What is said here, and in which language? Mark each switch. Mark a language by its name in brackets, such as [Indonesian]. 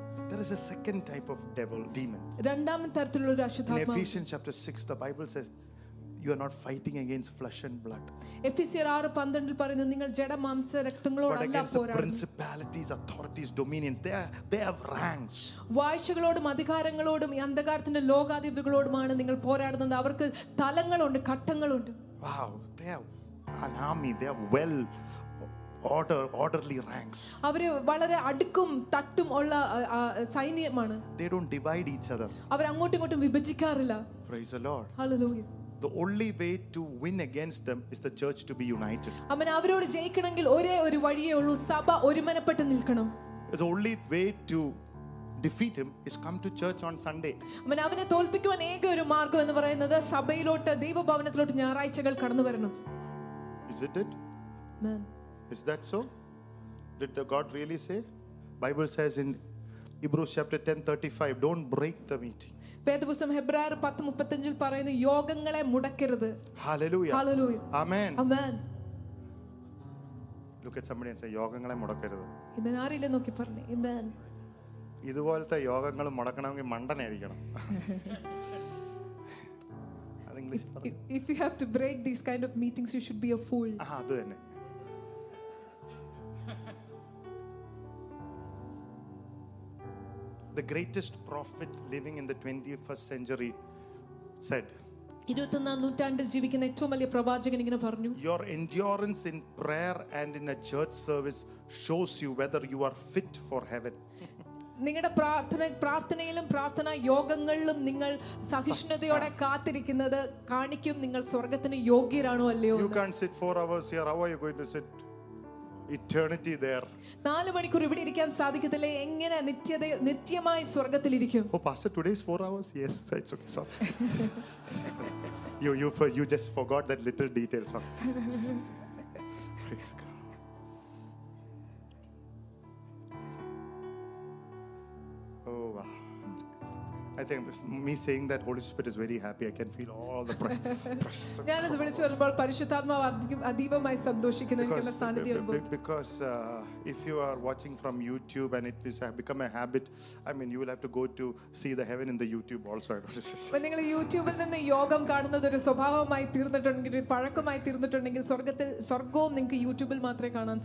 [English] There is a second type of devil, demons. [Malayalam] രണ്ടാം തരത്തിലുള്ള ഒരു അശുദ്ധാത്മാവ്. [English] In Ephesians chapter 6, the Bible says, you are not fighting against flesh and blood. [Malayalam] Ephesians 6:12 പറയുന്നു, നിങ്ങൾ ജഡമാംസ രക്തങ്ങളോടല്ല പോരാടുന്നത്. [English] But against the principalities, authorities, dominions. They have ranks. [Malayalam] വാഴ്ചകളോടും അധികാരങ്ങളോടും അന്ധകാരത്തിന്റെ ലോകാധിപതികളോടുമാണ് നിങ്ങൾ പോരാടുന്നത്. അവർക്ക് തലങ്ങളുണ്ട്, ഘട്ടങ്ങളുണ്ട്. [English] Wow, they have an army. They are well orderly ranks. [Malayalam] അവരെ വളരെ അടുക്കും തട്ടും ഉള്ള സൈന്യമാണ്. [English] They don't divide each other. [Malayalam] അവർ അങ്ങോട്ടും ഇങ്ങോട്ടും വിഭജിക്കാറില്ല. [English] Praise the Lord. Hallelujah. The only way to win against them is the church to be united. [Malayalam] അമ്മ അവരോട് ജയിക്കണമെങ്കിൽ ഒരേ ഒരു വഴിയേ ഉള്ളൂ, സഭ ഒരുമനപ്പെട്ട് നിൽക്കണം. [English] The only way to defeat him is come to church on Sunday. [Malayalam] അമ്മ അവനെ തോൽപ്പിക്കാൻ ഏക ഒരു മാർഗ്ഗം എന്ന് പറയുന്നത് സഭയിലോട്ട് ദൈവഭവനത്തിലോട്ട് ഞായറാഴ്ചകൾ കടന്നു വരണം. [English] Is it? Amen. Is that so? Did the God really say? Bible says in Hebrews chapter 10:35, don't break the meeting. [Malayalam] പേദവസം ഹെബ്രായർ 10:35 പറയുന്നു യോഗങ്ങളെ മുടക്കരുത്. [English] Hallelujah. Hallelujah. Amen. Amen. Look at somebody and say [Malayalam] യോഗങ്ങളെ മുടക്കരുത്. [English] Amen. [Malayalam] ആരില്ല നോക്കി പറഞ്ഞു. Amen. ഇതുപോലത്തെ യോഗങ്ങൾ മുടക്കണമെങ്കിൽ മണ്ടനെ ആയിരിക്കണം. അത് English പറഞ്ഞു. [English] If you have to break these kind of meetings, you should be a fool. [Malayalam] ആ അത് തന്നെ. [English] The greatest prophet living in the 21st century said, your endurance in prayer and in a church service shows you whether you are fit for heaven. [Malayalam] നിങ്ങളുടെ പ്രാർത്ഥന പ്രാർത്ഥനയിലും പ്രാർത്ഥനാ യോഗങ്ങളിലും നിങ്ങൾ സഹിഷ്ണുതയോടെ കാത്തിരിക്കുന്നത് കാണിക്കും നിങ്ങൾ സ്വർഗത്തിന് യോഗ്യരാണോ അല്ലയോ. [English] You can't sit 4 hours here. How are you going to sit eternity there? [Malayalam] 4 മണിക്കൂർ ഇവിടെ ഇരിക്കാൻ സാധിക്കില്ല. എങ്ങനെ നിത്യത നിത്യമായി സ്വർഗ്ഗത്തിൽ ഇരിക്കും? [English] Oh pastor, today is 4 hours. Yes, it's okay, sir. you just forgot that little detail, sir. Praise God. Oh wow. I think me saying that Holy Spirit is very happy. I can feel all the pressure. [Malayalam] ഞാൻ ഇത് വിളിച്ചു പറഞ്ഞപ്പോൾ പരിശുദ്ധാത്മാവ് അതീവമായി സന്തോഷിക്കുന്നു. [English] Because if you are watching from YouTube and it is become a habit, I mean you will have to go to see the heaven in the YouTube also. [Malayalam] നിങ്ങൾ യൂട്യൂബിൽ നിന്ന് യോഗം കാണുന്നത് ഒരു സ്വഭാവമായി തീർന്നിട്ടുണ്ടെങ്കിൽ പഴക്കമായി തീർന്നിട്ടുണ്ടെങ്കിൽ സ്വർഗ്ഗത്തിൽ സ്വർഗ്ഗവും നിങ്ങൾക്ക് യൂട്യൂബിൽ മാത്രമേ കാണാൻ